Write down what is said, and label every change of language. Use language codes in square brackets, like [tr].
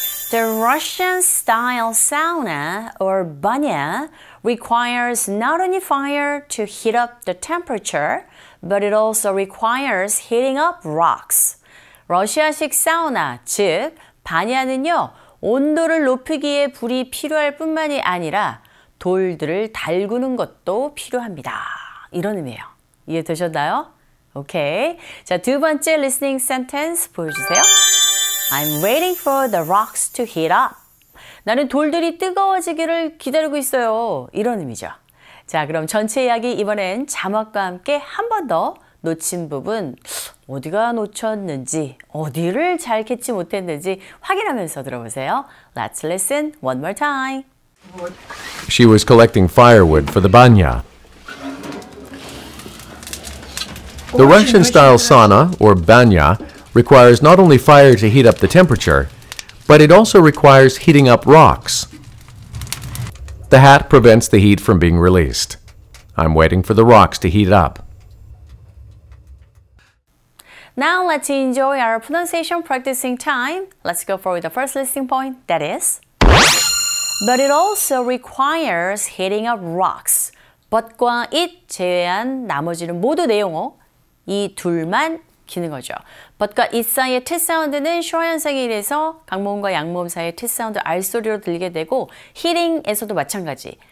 [en] The Russian-style sauna or banya requires not only fire to heat up the temperature, but it also requires heating up rocks. [ko] 러시아식 사우나, 즉 바냐는요, 온도를 높이기에 불이 필요할 뿐만이 아니라 돌들을 달구는 것도 필요합니다. 이런 의미예요. 이해되셨나요? 오케이. 자, 두 번째 [en] listening sentence [ko] 보여주세요. [en] I'm waiting for the rocks to heat up. [ko] 나는 돌들이 뜨거워지기를 기다리고 있어요. 이런 의미죠. 자, 그럼 전체 이야기 이번엔 자막과 함께 한 번 더 놓친 부분 어디가 놓쳤는지 어디를 잘 캐치 못했는지 확인하면서 들어보세요. [en] Let's listen one more time. She was collecting firewood for the banya. The Russian-style sauna or banya requires not only fire to heat up the temperature, but it also requires heating up rocks. The hat prevents the heat from being released. I'm waiting for the rocks to heat up. Now let's enjoy our pronunciation practicing time. Let's go for the first listening point, that is. But it also requires heating up rocks. [ko] But과 it 제외한 나머지는 모두 내용어, 이 둘만 기능하죠. But과 it 사이의 t 사운드는 schwa 현상에 의해서 강모음과 양모음 사이의 t 사운드 r 소리로 들리게 되고 hitting에서도 마찬가지.